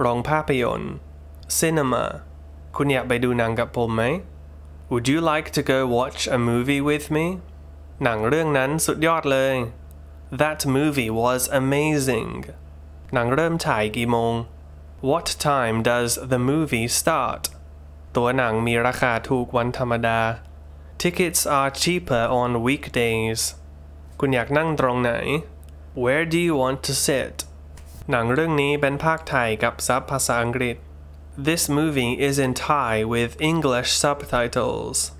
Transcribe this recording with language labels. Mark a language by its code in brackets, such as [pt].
[th] โรงภาพยนตร์ Cinema. คุณอยากไปดูหนังกับผมไหม? [en] Would you like to go watch a movie with me? [th] หนังเรื่องนั้นสุดยอดเลย. [en] That movie was amazing. [th] หนังเริ่มฉายกี่โมง? [en] What time does the movie start? [th] ตัวหนังมีราคาถูกวันธรรมดา [en] Tickets are cheaper on weekdays. [th] คุณอยากนั่งตรงไหน [en] Where do you want to sit? [th] หนังเรื่องนี้เป็นภาคไทยกับซับภาษาอังกฤษ [en] This movie is in Thai with English subtitles.